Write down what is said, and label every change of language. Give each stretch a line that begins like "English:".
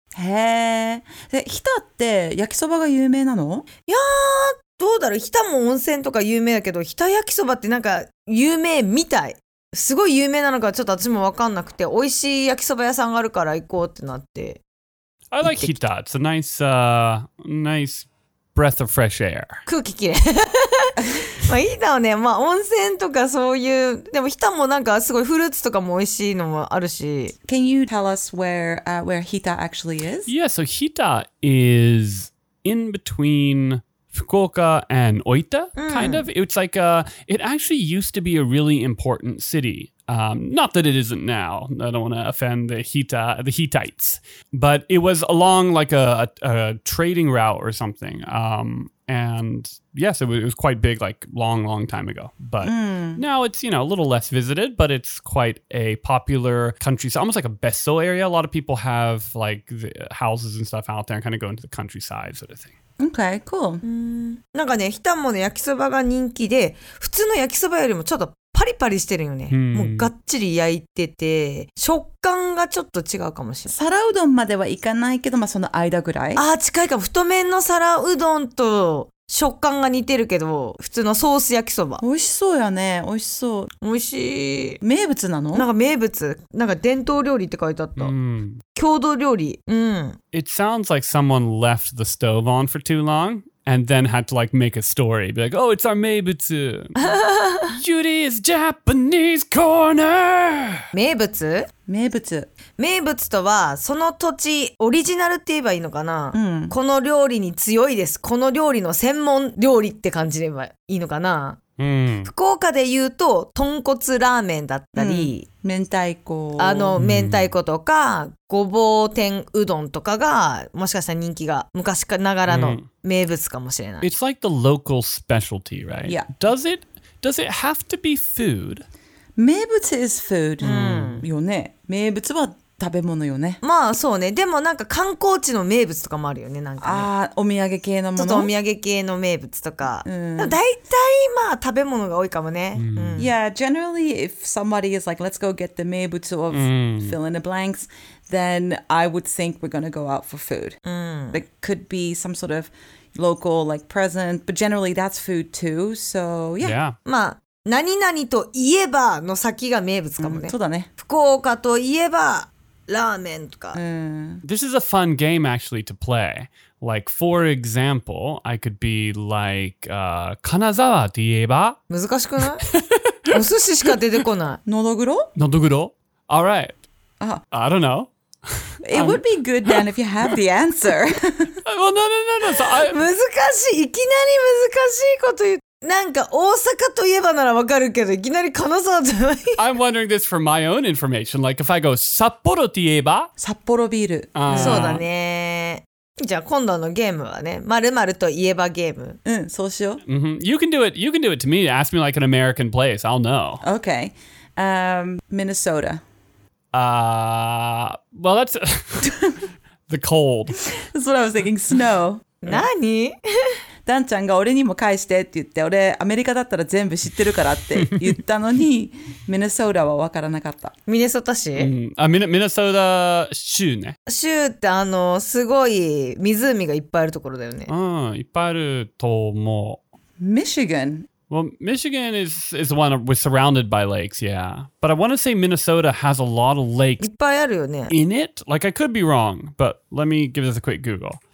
Japanese: へー。で、日田って焼きそばが有名なの? いやーどうだろう日田も温泉とか有名だけど、日田焼きそばってなんか有名みたい。すごい有名なのかちょっと私もわかんなくて、美味しい焼きそば屋さんがあるから行こうってなって。
English: I like 日田. It's a nice, nice breath of fresh air.
Japanese: 空気きれい。まあ日田はね、まあ温泉とかそういう、でも日田もなんかすごいフルーツとかも美味しいのもあるし。
English: Can you tell us where 日田 actually is? Yeah, so 日田 is in between... Fukuoka and Oita, kind of. It's like, it actually used to be a really important city. Not that it isn't now. I don't want to offend the Hittites. But it was along like a trading route or something. And yes, it was quite big like long, long time ago. But now it's, you know, a little less visited, but it's quite a popular countryside, almost like a Besso area. A lot of people have like the houses and stuff out there and kind of go into the countryside sort of thing. Okay, cool.
Japanese: なんかね、ひたもね、焼きそばが人気で、普通の焼きそばよりもちょっとパリパリしてるよね。もうがっちり焼いてて、食感がちょっと違うかもしれない。皿うどんまではいかないけど、まあその間ぐらい。ああ、近いかも。太麺の皿うどんと食感が似てるけど、普通のソース焼きそば。美味しそうやね。美味しそう。美味しい。名物なの？なんか名物。なんか伝統料理って書いてあった。郷土料理。
English: It sounds like someone left the stove on for too long and then had to like make a story. Be like, oh, it's our 名物。Judy is Japanese corner!
Japanese: 名物？名物。名物とは、その土地、オリジナルって言えばいいのかな、この料理に強いです。この料理の専門料理って感じればいいのかな、福岡で言うと、豚骨ラーメンだったり、明太子。明太子とか、ごぼう天うどんとかが、もしかしたら人気が、昔ながらの名物かもしれない。
English: It's like the local specialty, right? Yeah. Does it have to be food?
Japanese: 名物
English: is food、
Japanese: よね。名物は食べ物よね。まあそうね。でもなんか観光地の名物とかもあるよね。なんかね、お土産系のもの。ちょっとお土産系の名物とか。だいたいまあ食べ物が多いかもね。
English: Yeah, generally if somebody is like, let's go get the 名物 of fill in the blanks, then I would think we're gonna go out for food. It could be some sort of local like present, but generally that's food too. So yeah. Yeah.
Japanese: まあ何々といえばの先が名物かもね。そうだね。福岡といえばラーメンとか。
English: This is a fun game actually to play. Like, for example, I could be like,
Japanese: 金沢といえば？難しくない？お寿司しか出てこない。のどぐろ？
English: のどぐろ？All right. I don't know. It would be good then if you had the answer. Well, no. So
Japanese: 難しい。いきなり難しいこと言って。なんか大阪といえばならわかるけど、いきなり金沢じゃない。
English: I'm wondering this for my own information. Like if I go
Japanese: 札幌といえば、札幌ビール。そうだね。じゃあ今度のゲームはね、〇〇といえばゲーム。そうしよう。
English: You can do it. You can do it to me. Ask me like an American place. I'll know. Okay. Minnesota. Well, that's the cold. That's what I was thinking. Snow.
Japanese: 何？ダンちゃんが俺にも返してって言って、俺アメリカだったら全部知ってるからって言ったのに、ミネソーダは分からなかった。ミネソタ市？ミネソーダ州ね。州ってすごい湖がいっぱいあるところだよね。いっぱいあると思う。ミシガン。
English: Well, Michigan is the one we're surrounded by lakes, yeah. But I want to say Minnesota has a lot of lakes.
Japanese: いっぱいあるよね。
English: In it? Like, I could be wrong, but let me give this a quick Google.